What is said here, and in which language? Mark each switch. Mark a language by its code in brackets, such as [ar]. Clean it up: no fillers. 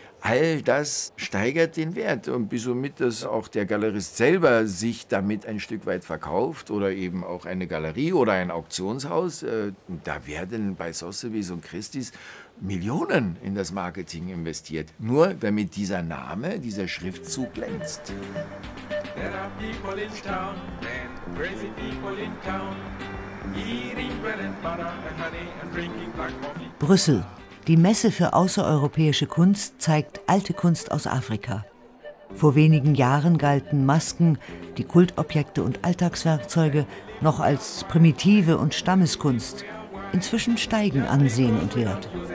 [de] All das steigert den Wert und somit, dass auch der Galerist selber sich damit ein Stück weit verkauft oder eben auch eine Galerie oder ein Auktionshaus. Da werden bei Sotheby's und Christie's Millionen in das Marketing investiert, nur damit dieser Name, dieser Schriftzug glänzt. [en] There are people in town, crazy people in town, eating bread and butter and honey and drinking black coffee. [de] Brüssel, die Messe für außereuropäische Kunst, zeigt alte Kunst aus Afrika. Vor wenigen Jahren galten Masken, die Kultobjekte und Alltagswerkzeuge noch als primitive und Stammeskunst. Inzwischen steigen Ansehen und Wert.